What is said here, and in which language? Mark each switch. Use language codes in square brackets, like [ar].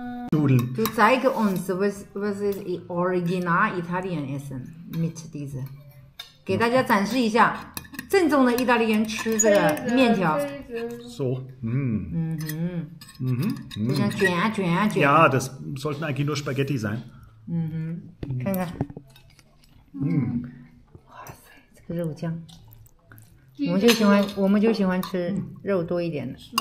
[de] Du zeig uns, was ist original Italian Essen mit diese？ [zh] 给大家展示一下，正宗的意大利人吃这个面条。 [de] So，嗯哼，嗯哼， [zh] 就像卷啊卷啊卷。 [de] Ja, das sollten eigentlich nur Spaghetti sein。 [zh] 嗯哼，看看。哇塞，这个肉酱，我们就喜欢吃肉多一点的。